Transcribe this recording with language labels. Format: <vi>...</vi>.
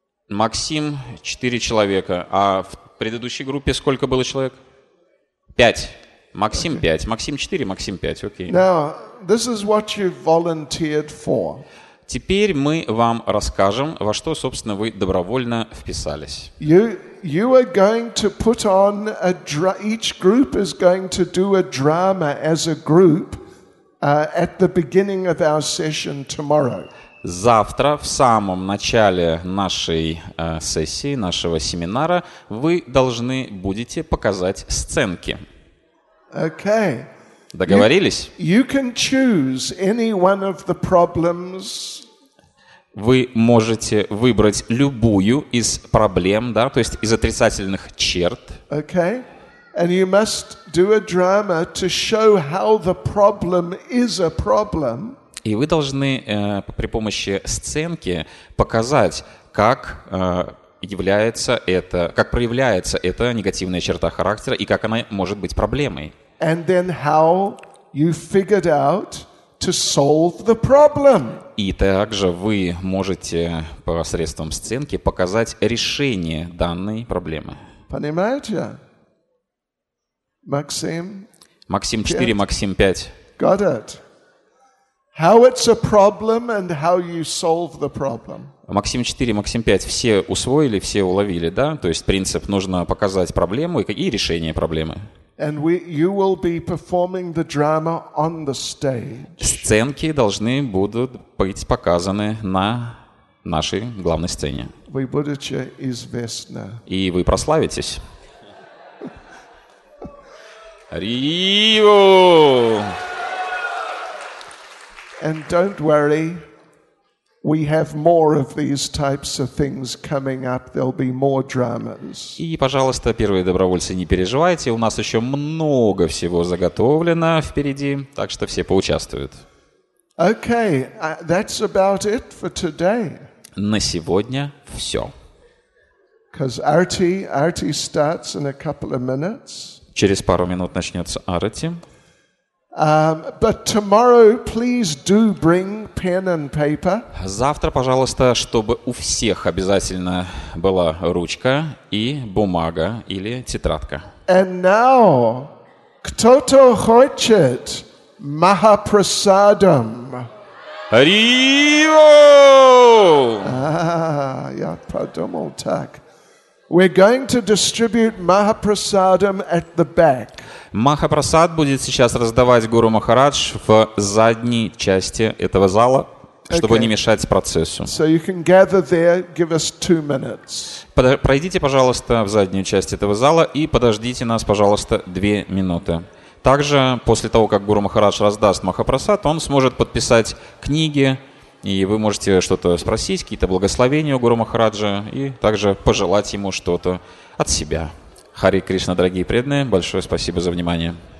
<ru>Максим, четыре человека. А в предыдущей группе сколько было человек? Пять. Максим, okay. Пять. Максим, четыре. Максим, пять. Окей.</ru> <en>Now, this is what you volunteered for.</en> <ru>Теперь мы вам расскажем, во что, собственно, вы добровольно вписались.</ru> <en>You are going to put on a each group is going to do a drama as a group at the beginning of our session tomorrow.</en> <ru>Завтра, в самом начале нашей сессии, нашего семинара, вы должны будете показать сценки.</ru> <en>Okay.</en> <ru>Договорились?</ru> <en>You can choose any one of the problems.</en> <ru>Вы можете выбрать любую из проблем, да, то есть из отрицательных черт.</ru> <en>Okay. And you must do a drama to show how the problem is a problem.</en> <ru>И вы должны при помощи сценки показать, как является это, как проявляется эта негативная черта характера и как она может быть проблемой.</ru> <en>And then how you figured out to solve the problem.</en> <ru>И также вы можете посредством сценки показать решение данной проблемы. Понимаете? Максим? Максим 4, Максим 5.</ru> <en>Got it. How it's a problem and how you solve the problem.</en> <ru>Максим 4, Максим 5. Все усвоили, все уловили, да? То есть принцип нужно показать проблему и какие решения проблемы.</ru> <en>And you will be performing the drama on the stage.</en> <ru>Сценки должны будут быть показаны на нашей главной сцене. Вы будете известны. И вы прославитесь. Рио!</ru> <en>And don't worry, We have more of these types of things coming up. There'll be more dramas.</en> <ru>И, пожалуйста, первые добровольцы, не переживайте. У нас еще много всего заготовлено впереди, так что все поучаствуют.</ru> <en>Okay, that's about it for today.</en> <ru>На сегодня все.</ru> <en>Because Arti starts in a couple of minutes.</en> <ru>Через пару минут начнется Арати.</ru> <en>But tomorrow, please do bring pen and paper.</en> <ru>Завтра, пожалуйста, чтобы у всех обязательно была ручка и бумага или тетрадка.</ru> <en>And now,</en> <ru>кто-то хочет Махапрасадам? Риво! Я подумал так.</ru> <en>We're going to distribute Mahaprasadam at the back.</en> <ru>Махапрасад будет сейчас раздавать Гуру Махарадж в задней части этого зала, чтобы не мешать процессу.</ru> <en>So you can gather there, give us 2 minutes.</en> <ru>Пройдите, пожалуйста, в заднюю часть этого зала и подождите нас, пожалуйста, 2 минуты. Также после того, как Гуру Махарадж раздаст Махапрасад, он сможет подписать книги, и вы можете что-то спросить, какие-то благословения у Гуру Махараджа, и также пожелать ему что-то от себя. Хари Кришна, дорогие преданные, большое спасибо за внимание.</ru>